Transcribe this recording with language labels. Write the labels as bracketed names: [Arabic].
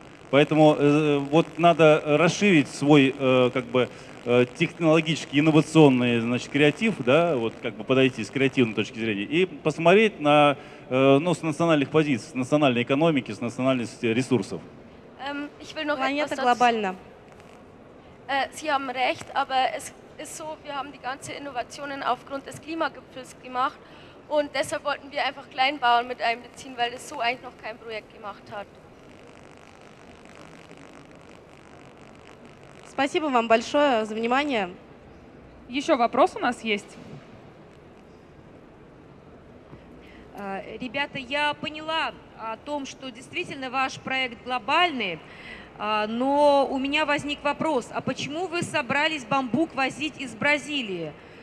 [Russian] Поэтому надо расширить свой технологический, инновационный креатив, подойти с креативной точки зрения и посмотреть на с национальных позиций, с национальной экономики, с национальности ресурсов. Планета глобальна. [German] Sie haben recht, aber es ist so, wir haben die ganze Innovationen aufgrund des Klimagipfels gemacht und deshalb wollten wir einfach Kleinbauern mit einbeziehen, weil es so eigentlich noch kein Projekt gemacht hat. [Russian] Спасибо вам большое за внимание. Еще вопрос у нас есть? Ребята, я поняла о том, что действительно ваш проект глобальный. Но у меня возник вопрос, а почему вы собрались бамбук возить из Бразилии?